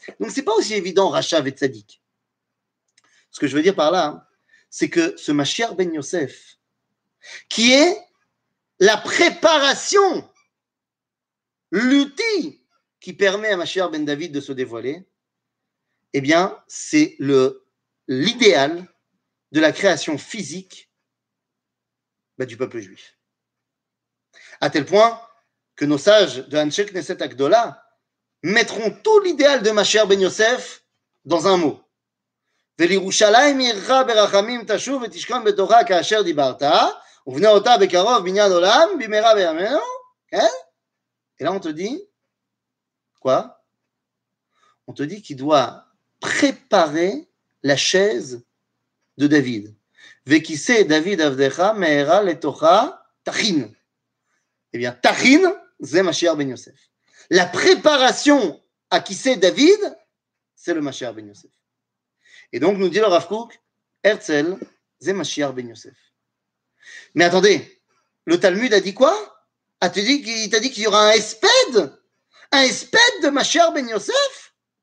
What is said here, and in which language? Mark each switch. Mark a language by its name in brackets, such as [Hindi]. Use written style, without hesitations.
[French] Donc ce n'est pas aussi évident, Rachav et tzaddik. Ce que je veux dire par là, c'est que ce Mashiach ben Yosef, qui est la préparation, l'outil qui permet à Mashiach ben David de se dévoiler, eh bien, c'est l'idéal de la création physique du peuple juif. À tel point que nos sages de Anshe Knesset Agdola mettront tout l'idéal de Machéar Ben Yosef dans un mot. [Hebrew] ולירושלים יראה ברחמים תשוב ותשכון בתורה כאשר דיברת, ובנה אותה בקרוב בניין עולם, במהרה בימינו, כן? אלא [French] on te dit, quoi? On te dit qu'il doit préparer la chaise de David. [Hebrew] וכיסא דוד עבדך מהרה לתוכה תכין. [French] Eh bien, [Hebrew] תכין, זה משיח בן יוסף. [French] La préparation à כיסא דוד, c'est le משיח בן יוסף. Et donc, nous dit le Rav Kook, Herzl, Zemashiach ben Yosef. Mais attendez, le Talmud a dit quoi? Il t'a dit qu'il y aura un esped de Mashiach ben Yosef?